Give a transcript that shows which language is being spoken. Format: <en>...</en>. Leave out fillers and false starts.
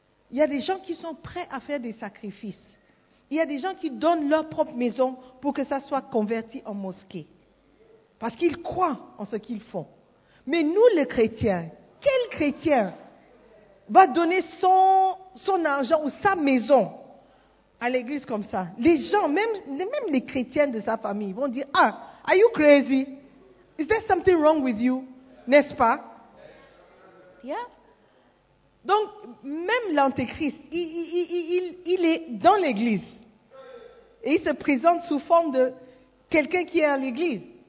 <fr>Il y a des gens qui sont prêts à faire des sacrifices. Il y a des gens qui donnent leur propre maison pour que ça soit converti en mosquée. Parce qu'ils croient en ce qu'ils font. Mais nous, les chrétiens, quel chrétien va donner son argent ou sa maison à l'église comme ça? Les gens, même les chrétiens de sa famille, vont dire, «</fr> <en>Ah, are you crazy? Is there something wrong with you? »</en> <fr>N'est-ce pas? Yeah. Donc, même l'antéchrist, il est dans l'église. Et il se présente sous forme de quelqu'un qui est à l'église.</fr>